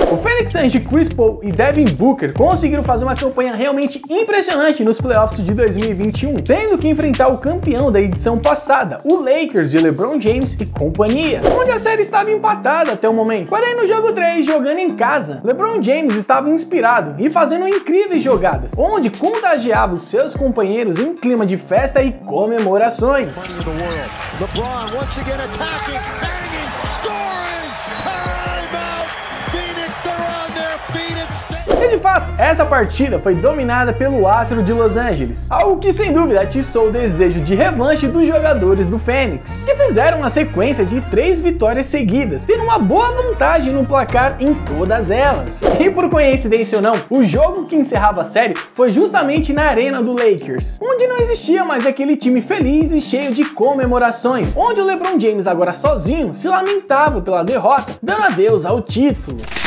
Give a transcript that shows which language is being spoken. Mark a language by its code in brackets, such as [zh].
[pt] O Phoenix Suns de Chris Paul e Devin Booker conseguiram fazer uma campanha realmente impressionante nos playoffs de 2021, tendo que enfrentar o campeão da edição passada, o Lakers de LeBron James e companhia, onde a série estava empatada até o momento. Porém, no jogo 3, jogando em casa, LeBron James estava inspirado e fazendo incríveis jogadas, onde contagiava os seus companheiros em clima de festa e comemoração. [en] LeBron once again attacking, banging, scoring, timeout, Phoenix, they're on their feet. [pt] E de fato, essa partida foi dominada pelo astro de Los Angeles, algo que sem dúvida atiçou o desejo de revanche dos jogadores do Phoenix, que fizeram uma sequência de 3 vitórias seguidas, tendo uma boa vantagem no placar em todas elas. E por coincidência ou não, o jogo que encerrava a série foi justamente na arena do Lakers, onde não existia mais aquele time feliz e cheio de comemorações, onde o LeBron James agora sozinho se lamentava pela derrota, dando adeus ao título.